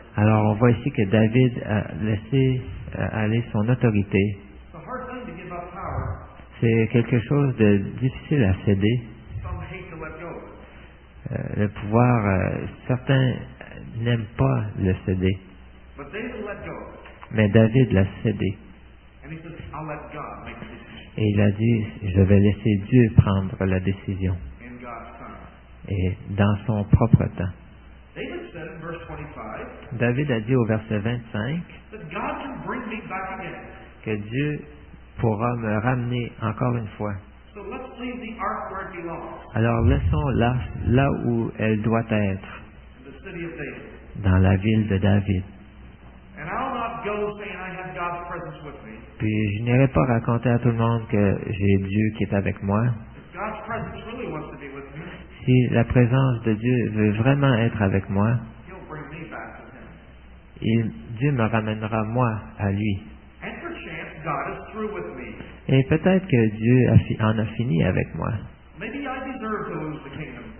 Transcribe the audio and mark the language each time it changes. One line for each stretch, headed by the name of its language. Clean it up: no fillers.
French: Alors, on voit ici que David a laissé aller son autorité.
English: It's a hard thing to give up power.
French: C'est quelque chose de difficile à céder.
English: Some hate to let go.
French: Le pouvoir, certains n'aiment pas le céder.
English: But David let go.
French: Mais David l'a cédé.
English: And he says, I'll let God make the decision.
French: Et il a dit, je vais laisser Dieu prendre la décision.
English: In God's time.
French: Et dans son propre temps.
English: David said in verse 25,
French: David a dit au verset 25
English: that God can bring me back again.
French: Que Dieu pourra me ramener encore une fois.
English: So let's leave the ark where it belongs.
French: Alors laissons l'arche là où elle doit être.
English: In the city of David.
French: Dans la ville de David.
English: And I'll not go saying I have God's presence with me.
French: Puis je n'irai pas raconter à tout le monde que j'ai Dieu qui est avec moi.
English: If God's presence really wants to be with me,
French: si la présence de Dieu veut vraiment être avec moi,
English: he'll bring me back to him.
French: Dieu me ramènera moi à lui.
English: And perchance God is through with me.
French: Et peut-être que Dieu en a fini avec moi.
English: Maybe I deserve to lose the kingdom.